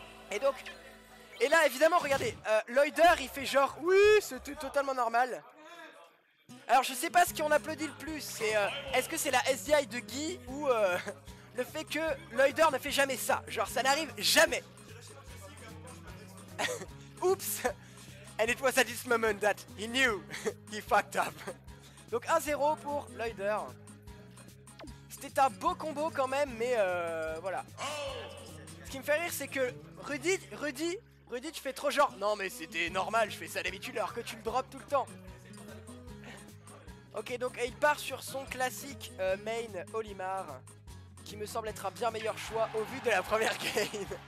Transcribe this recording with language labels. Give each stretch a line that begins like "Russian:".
French: Et donc, et là, évidemment, regardez, Loider, il fait genre, oui, c'était totalement normal. Alors, je sais pas ce qu'on applaudit le plus, c'est est-ce que c'est la SDI de Guy ou le fait que Loider ne fait jamais ça? Genre, ça n'arrive jamais. Oups!
English: And it was at this moment that he knew he fucked up.
French: Donc 1-0 pour Loider. C'était un beau combo quand même, mais voilà. Ce qui me fait rire, c'est que Rudy, tu fais trop genre. Non, mais c'était normal, je fais ça d'habitude alors que tu le drops tout le temps. Ok, donc il part sur son classique main Olimar, qui me semble être un bien meilleur choix au vu de la première game.